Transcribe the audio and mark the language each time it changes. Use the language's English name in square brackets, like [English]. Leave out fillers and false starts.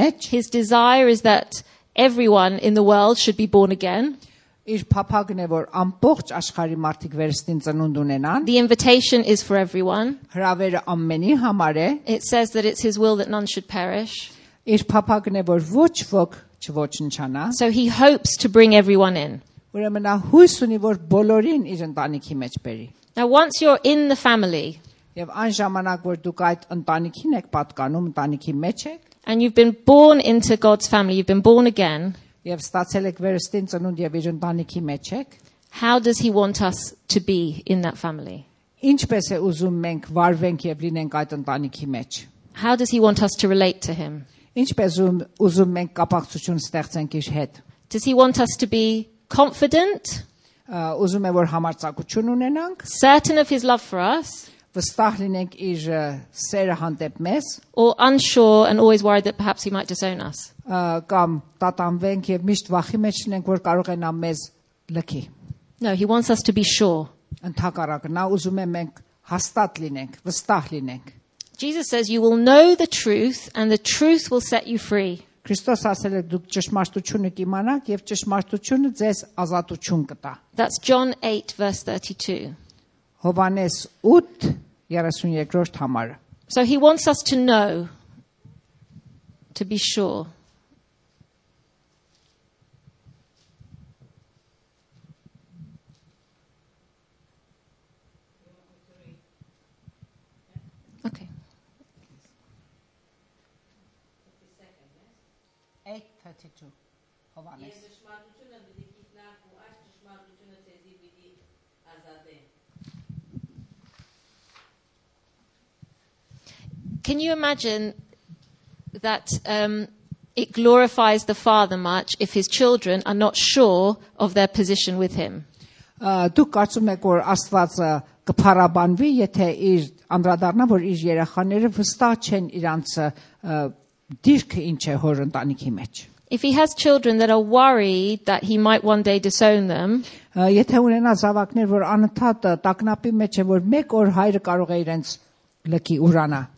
[English] His desire is that everyone in the world should be born again. [Armenian] Իր փափագն է, որ ամբողջ աշխարհի մարդիկ վերստին ծնունդ ունենան. [English] The invitation is for everyone. [Armenian] Հրավերը ամենի համար է. [English] It says that it's his will that none should perish. [Armenian] Իր փափագն է, որ ոչ ոք չոչնչանա. [English] So he hopes to bring everyone in. [Armenian] Ուրեմն նա հույս ունի, որ բոլորին իր ընտանիքի մեջ բերի. [English] Now once you're in the family. [Armenian] Եվ այն ժամանակ, որ դուք այդ ընտանիքին եք պատկանում, ընտանիքի մեջ եք. [English] And you've been born into God's family, you've been born again. [Armenian] Եվ ստացել եք վերստին ծնունդ եւ իր ընտանիքի մեջ եք։ [English] How does he want us to be in that family? [Armenian] Ինչպես է ուզում մենք վարվենք եւ լինենք այդ ընտանիքի մեջ։ [English] How does he want us to relate to him? [Armenian] Ինչպես ուզում մենք կապակցություն ստեղծենք իր հետ։ [English] Does he want us to be confident? [Armenian] Ուզում է որ համարձակություն ունենանք։ [English] Certain of his love for us? [Armenian] Վստահ լինենք իր սերը հանդեպ մեզ։ [English] Or unsure and always worried that perhaps he might disown us. [Armenian] Կամ տատանվենք եւ միշտ վախի մեջ ենք, որ կարող են ամեզ լքի։ [English] No, he wants us to be sure. [Armenian] Ընդհակառակը, նա ուզում է մենք հաստատ լինենք, վստահ լինենք։ [English] Jesus says you will know the truth and the truth will set you free. [Armenian] Քրիստոս ասել է դուք ճշմարտությունը կիմանաք եւ ճշմարտությունը ձեզ ազատություն կտա։ [English] That's John 8:32. [Armenian] Հովանես 8:32-րդ համարը. [English] So he wants us to know, to be sure. Okay. [Armenian] 8:32. Հովանես. [English] Can you imagine that it glorifies the Father much if his children are not sure of their position with him? [Armenian] Դուք կարծում եք, որ Աստվածը կփառաբանվի, եթե իր անդրադառնա, որ իր երեխաները վստահ չեն իրանց դիրքը ինչ է հոր ընտանիքի մեջ. [English] If he has children that are worried that he might one day disown them, [Armenian] եթե ունենա զավակներ, որ անընդհատ տակնապի մեջ է, որ մեկ օր հայրը կարող է իրենց լքի ուրանա.